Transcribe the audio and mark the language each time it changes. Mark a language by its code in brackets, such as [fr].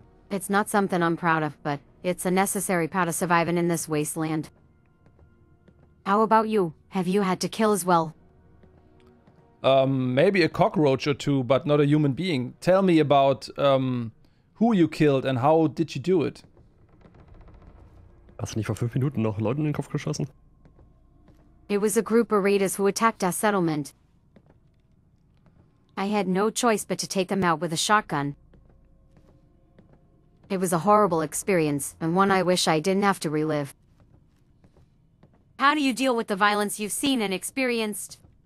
[en] It's not something I'm proud of, but it's a necessary part of surviving in this wasteland. How about you? Have you had to kill as well? Maybe a cockroach or two, but not a human being. Tell me about who you killed and how did you do it? [de] Hast du nicht vor 5 Minuten noch Leuten in den Kopf geschossen? [en] It was a group of raiders who attacked our settlement. I had no choice but to take them out with a shotgun. It was a horrible experience, and one I wish I didn't have to relive. How do you deal with the violence you've seen and experienced?